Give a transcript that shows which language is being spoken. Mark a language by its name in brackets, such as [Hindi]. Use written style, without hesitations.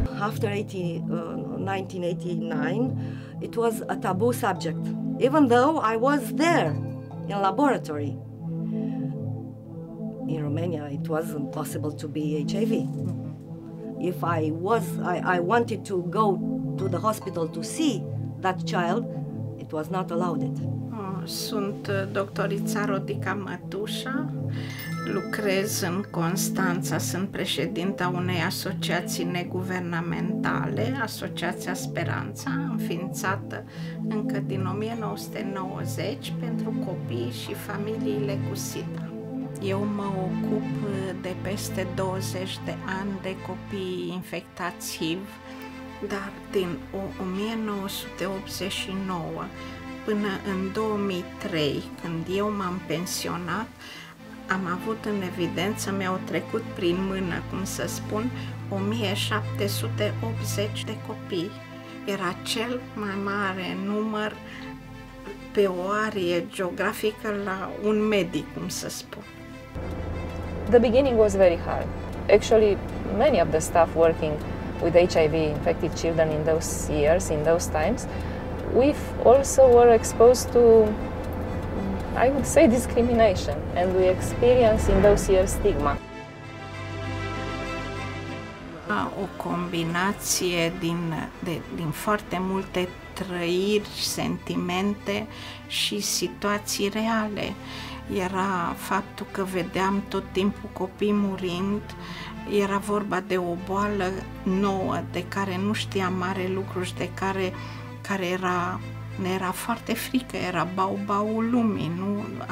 [English] After 1989, it was a taboo subject, even though I was there in laboratory. In Romania, it was impossible to be HIV. If I wanted to go to the hospital to see that child, it was not allowed. [Romanian] Sunt doctorița Rodica Mătușa, lucrez în Constanța, sunt președinta unei asociații neguvernamentale, Asociația Speranța, înființată încă din 1990 pentru copii și familiile cu SIDA. Eu mă ocup de peste 20 de ani de copii infectați HIV, dar din 1989 până în 2003, când eu m-am pensionat, am avut în evidență, mi-au trecut prin mână, cum să spun, 1780 de copii. Era cel mai mare număr pe o arie geografică la un medic, cum să spun. [English] The beginning was very hard. Actually, many of the staff working with HIV-infected children in those years, in those times, we also were exposed to, I would say, discrimination, and we experienced in those years stigma. [Romanian] O combinație din foarte multe trăiri, sentimente și situații reale. Era faptul că vedeam tot timpul copii murind, Era vorba de o boală nouă, de care nu știam mare lucru și de care, ne era foarte frică, era bau-baul lumii, nu?